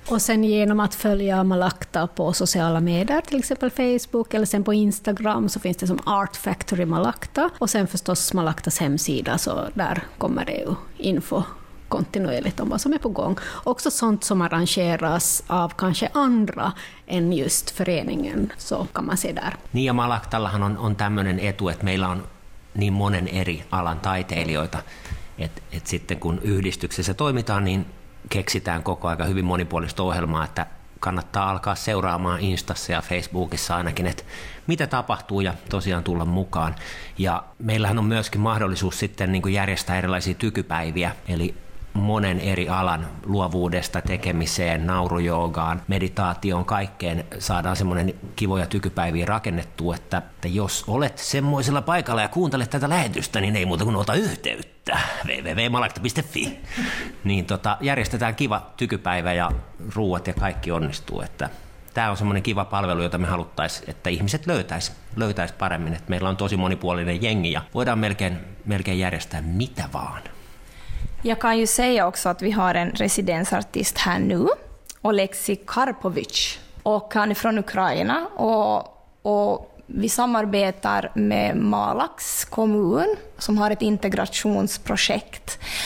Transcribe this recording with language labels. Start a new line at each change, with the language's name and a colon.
Swedish: Och sen genom att följa Malakta på sociala medier, till exempel Facebook eller sen på Instagram, så finns det som Art Factory Malakta. Och sen förstås Malaktas hemsida, så där kommer det ju info kontinuerligt om vad som är på gång. Också sånt som arrangeras av kanske andra än just föreningen, så kan man se där.
Finnish: Niin, ja Malaktallahan on tämmöinen etu, että meillä on niin monen eri alan taiteilijoita, että sitten kun yhdistyksessä toimitaan, niin keksitään koko aika hyvin monipuolista ohjelmaa, että kannattaa alkaa seuraamaan Instassa ja Facebookissa ainakin, että mitä tapahtuu ja tosiaan tulla mukaan. Ja meillähän on myöskin mahdollisuus sitten niin kuin järjestää erilaisia tykypäiviä, eli monen eri alan luovuudesta, tekemiseen, naurujoogaan, meditaatioon, kaikkeen saadaan semmoinen kivoja tykypäiviä rakennettua, että jos olet semmoisella paikalla ja kuuntelet tätä lähetystä, niin ei muuta kuin ota yhteyttä www.malakta.fi. Niin järjestetään kiva tykypäivä ja ruuat ja kaikki onnistuu. Että tämä on semmoinen kiva palvelu, jota me haluttaisiin, että ihmiset löytäisi paremmin. Että meillä on tosi monipuolinen jengi ja voidaan melkein järjestää mitä vaan.
Swedish: Jag kan ju säga också att vi har en residensartist här nu, Oleksi Karpovic, och han är från Ukraina. Och vi samarbetar med Malax kommun som har ett integrationsprojekt.